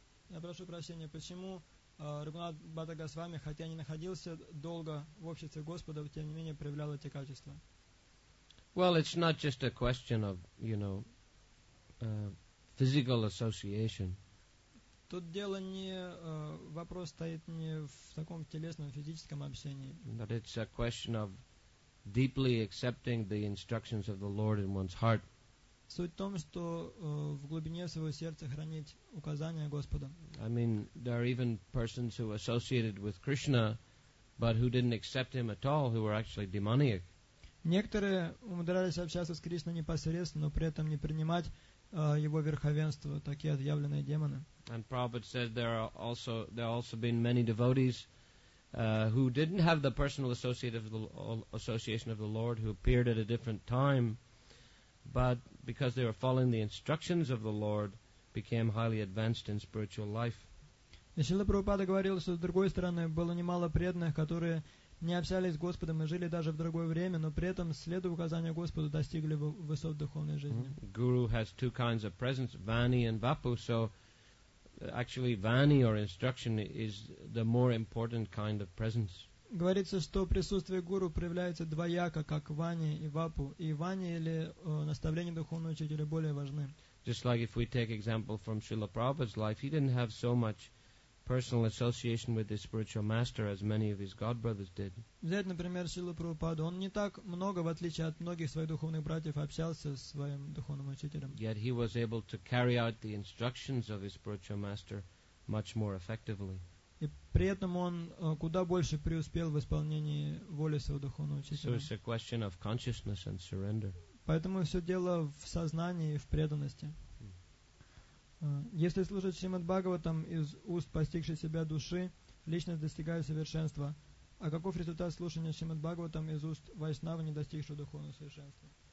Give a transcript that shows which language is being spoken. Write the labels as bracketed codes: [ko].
[ru] Я прошу прощения, почему Рагунат Бхата Госвами, хотя не находился долго в обществе Господа, тем не менее проявлял эти качества? [en] Well, it's not just a question of, you know, physical association. [ru] Тут дело не вопрос стоит не в таком телесном физическом общении. [en] But it's a question of deeply accepting the instructions of the Lord in one's heart. [ru] Суть в том, что в глубине своего сердца хранить указания Господа. [en] I mean, there are even persons who associated with Krishna, but who didn't accept him at all, who were actually demoniac. [ru] Некоторые умудрялись общаться с Кришной непосредственно, но при этом не принимать его верховенство, такие отъявленные демоны. [en] And Prabhupada said there have also been many devotees who didn't have the personal association of the Lord, who appeared at a different time, but because they were following the instructions of the Lord, became highly advanced in spiritual life. [ru] Шрила Прабхупада говорил, что с другой стороны было немало преданных, которые не общались с Господом и жили даже в другое время, но при этом, следуя указанию Господа, достигли высот духовной жизни. [en] Guru has two kinds of presence, vani and vapu. So actually vani or instruction is the more important kind of presence. [ru] Говорится, что присутствие гуру проявляется двояко, как вани и вапу. И вани или наставление духовного учителя более важны. [en] Just like if we take example from Srila Prabhupada's life, he didn't have so much personal association with his spiritual master as many of his godbrothers did. [ru] Взять, например, Шрилу Прабхупаду. Он не так много, в отличие от многих своих духовных братьев, общался со своим духовным учителем. [en] Yet he was able to carry out the instructions of his spiritual master much more effectively. [ru] И при этом он куда больше преуспел в исполнении воли своего духовного учителя. [en] So it's a question of consciousness and surrender. [ru] Поэтому все дело в сознании и в преданности. Если слушать Шримад Бхагаватам из уст постигшей себя души, личность достигает совершенства. А каков результат слушания Шримад Бхагаватам из уст вайшнава, не достигшего духовного совершенства?